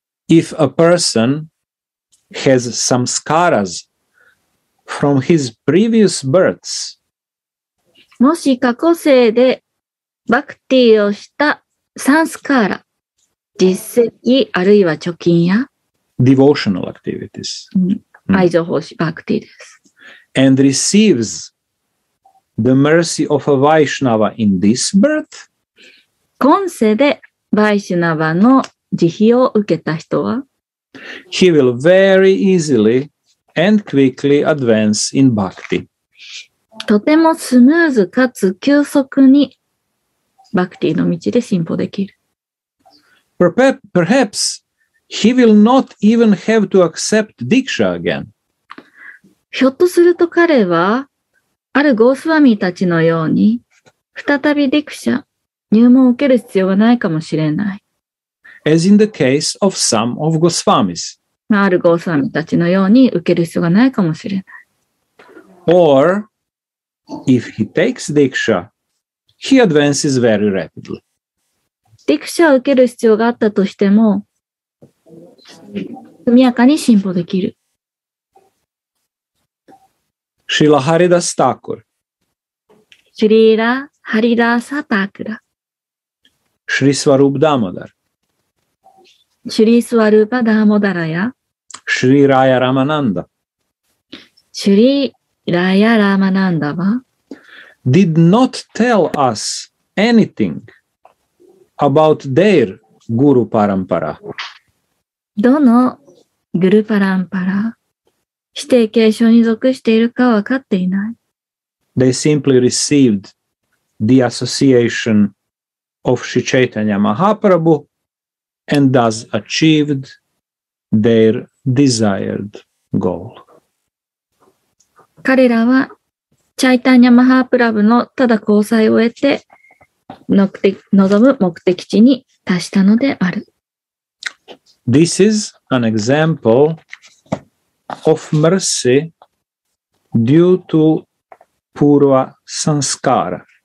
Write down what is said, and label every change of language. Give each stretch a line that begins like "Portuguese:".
English: If a person has samskaras from his previous births,
Japanese: もし過去世でバクティをしたサンスカーラ、実績あるいは貯金や、
English: devotional activities、
Japanese: 愛情奉仕、バクティです。
English: And receives the mercy of a Vaishnava in this birth,
Japanese: 今世でバイシュナバの慈悲を受けた人は、
English: He will very easily and quickly advance in bhakti.
Japanese: とてもスムーズかつ急速にバクティの道で進歩できる。
English: Perhaps he will not even have to accept diksha again.
Japanese: ひょっとすると彼はあるゴースワミたちのように再びディクシャ、入門を受ける必要がないかもしれない。
English: As in the case of some of Goswamis.
Japanese: あるゴースワミたちのように受ける必要がないかもしれない。
English: Or, if he takes diksha, he advances very rapidly.
Japanese: Diksha を受ける必要があったとしても、速やかに進歩できる。
English: Srila Haridasa Thakur. Srila Haridasa Thakura. Sri Swarup Damodar.
Japanese: シュリースワルーパ・ダーモダラやシュリーラヤ・ラマナンダシュリーラヤ・ラマナンダは
English: did not tell us anything about their guru parampara
Japanese: どのグルパランパラ指定継承に属しているか分かっていない
English: they simply received the association of Sri Chaitanya MahaprabhuAnd thus achieved their desired goal.
Japanese: 彼らはチャイタニャマハープラブのただ交際を得て望む目的地に達したのである。
English: This is an example of mercy due to purva sanskara.